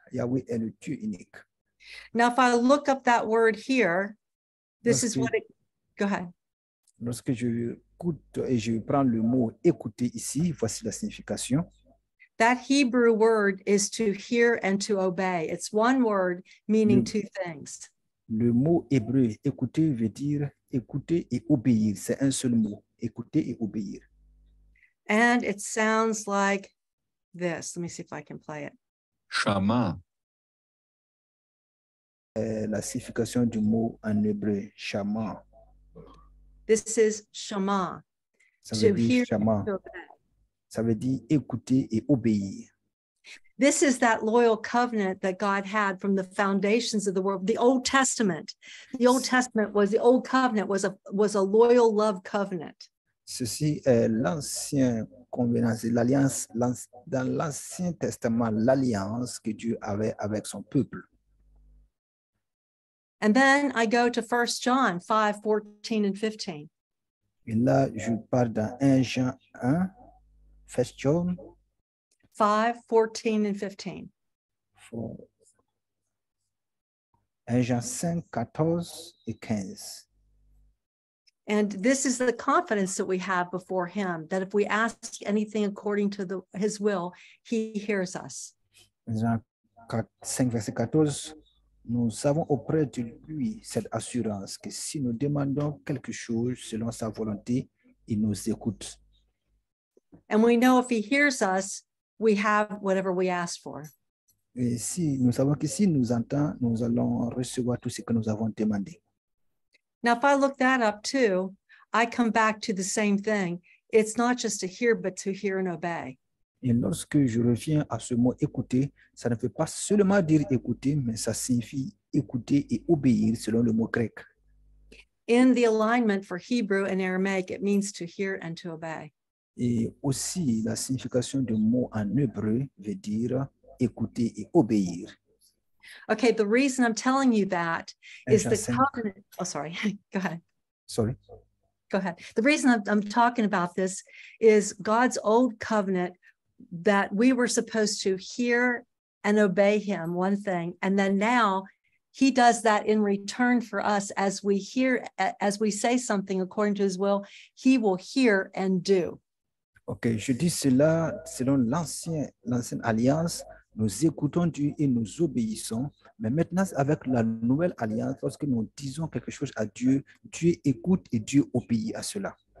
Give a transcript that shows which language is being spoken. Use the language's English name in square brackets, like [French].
[French] Yahweh est le Dieu unique. [English] Now, if I look up that word here, go ahead. [French] Lorsque je écoute et je prends le mot écouter ici, voici la signification. [English] That Hebrew word is to hear and to obey. It's one word meaning two things. [French] Le mot hébreu écouter veut dire écouter et obéir. C'est un seul mot, écouter et obéir. [English] And it sounds like this. Let me see if I can play it. [Hebrew] Shama. [French] La signification du mot en hébreu, shama. [English] This is Shema, to hear Shema. And to obey. [French] Ça veut dire écouter et obéir. [English] This is that loyal covenant that God had from the foundations of the world, the Old Testament. The Old Testament was the Old Covenant, was a loyal love covenant. [French] Ceci est l'ancien covenant, l'alliance, dans l'Ancien Testament, l'alliance que Dieu avait avec son peuple. [English] And then I go to 1 John 5:14 and 15. [French] Et là, je pars dans 1 Jean 1, [English] 1 John 5, 14 and 15. [French] 1 Jean 5, 14 et 15. [English] And this is the confidence that we have before him, that if we ask anything according to his will, he hears us. [French] 5, verset 14. Nous savons auprès de lui cette assurance que si nous demandons quelque chose selon sa volonté, il nous écoute. [English] And we know if he hears us, we have whatever we ask for. [French] Et si nous savons que s'il nous entend, nous allons recevoir tout ce que nous avons demandé. [English] Now, if I look that up too, I come back to the same thing. It's not just to hear, but to hear and obey. [French] Et lorsque je reviens à ce mot écouter, ça ne veut pas seulement dire écouter, mais ça signifie écouter et obéir selon le mot grec. [English] In the alignment for Hebrew and Aramaic, it means to hear and to obey. [French] Et aussi, la signification du mot en hébreu veut dire écouter et obéir. [English] Okay, the reason I'm telling you that is the covenant. Oh, sorry. Go ahead. Sorry. Go ahead. The reason I'm talking about this is God's old covenant that we were supposed to hear and obey him, one thing. And then now he does that in return for us as we hear, as we say something according to his will hear and do. [French] Ok, je dis cela selon l'ancienne alliance, nous écoutons Dieu et nous obéissons, mais maintenant avec la nouvelle alliance, lorsque nous disons quelque chose à Dieu, Dieu écoute et Dieu obéit à cela.